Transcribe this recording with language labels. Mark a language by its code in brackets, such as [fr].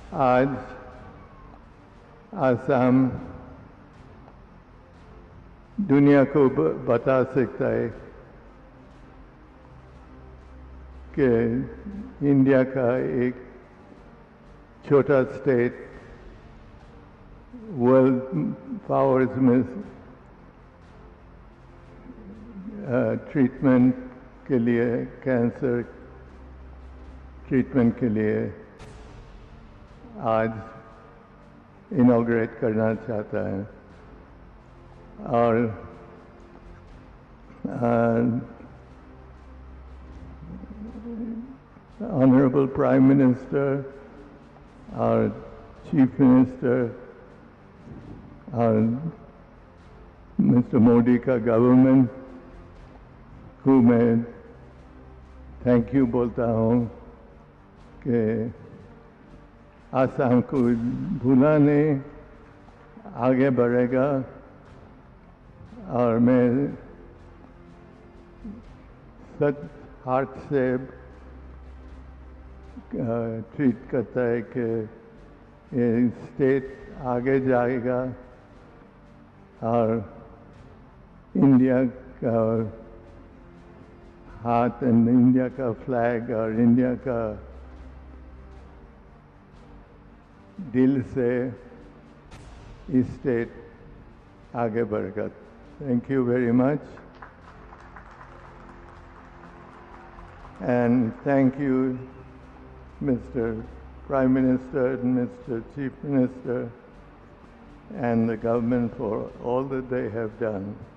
[hi] आज असम दुनिया को बता सकता है के इंडिया का एक छोटा state world powers में treatment के लिए, cancer treatment के लिए आज inaugurate करना चाहता है। [en] Aur Honorable Prime Minister, our Chief Minister, our Mr. [hi] Modi का government, को मैं thank you बोलता हूँ के असम को भुला नहीं, आगे बढ़ेगा, और मैं सच heart से treat करता है के state आगे जाएगा और इंडिया का heart and इंडिया का flag और इंडिया का दिल से इस state आगे बढ़ेगा। [en] Thank you very much, and thank you Mr. Prime Minister and Mr. Chief Minister and the government for all that they have done.